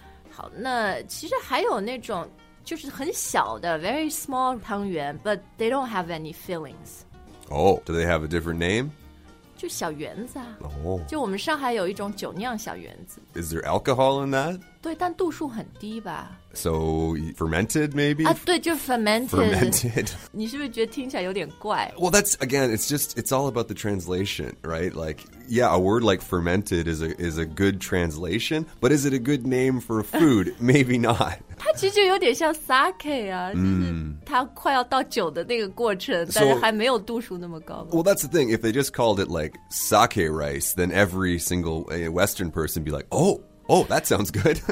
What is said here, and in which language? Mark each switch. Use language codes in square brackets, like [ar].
[zh] 好，那其实还有那种就是很小的 [en] very small [zh] 汤圆 [en] but they don't have any fillings. Oh, do they have a different name? [zh] 就小圆子啊。 [en] Oh. [zh] 就我们上海有一种酒酿小圆子。 [en] Is there alcohol in that? [zh] 对，但度数很低吧。 [en] So, fermented maybe? [zh] 啊，对，就 fermented. [en] Fermented. [zh] 你是不是觉得听起来有点怪？ [en] Well, that's, again, it's just, it's all about the translation, right? Like, yeah, a word like fermented is a good translation, but is it a good name for a food? Maybe not. [zh] 它其实就有点像 sake 啊，就是它快要到酒的那个过程，但是还没有度数那么高。 [en] Well, that's the thing. If they just called it like sake rice, then every single Western person be like, oh, that sounds good.